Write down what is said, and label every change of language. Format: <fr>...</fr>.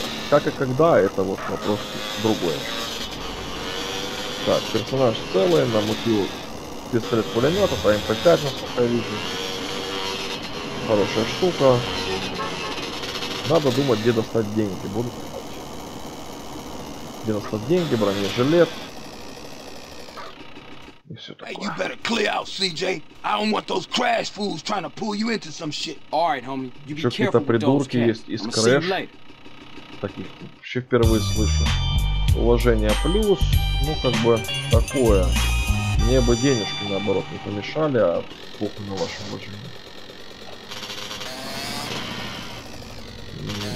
<ru>Как и когда, это вот вопрос другой. Так, персонаж целый, намутил пистолет пулемета, по МП-5, насколько я вижу. Хорошая штука. Надо думать, где достать деньги. Буду где достать деньги, бронежилет. И все такое.</ru> <en>Hey, you better clear out, CJ. I don't want those crash fools trying to pull you into some shit. Alright, homie, you be careful.</en> <ru>Какие-то придурки есть из Crash. Таких вообще впервые слышу. Уважение плюс, ну как бы такое. Мне бы денежки наоборот не помешали, а похуй на ваше уважение.</ru>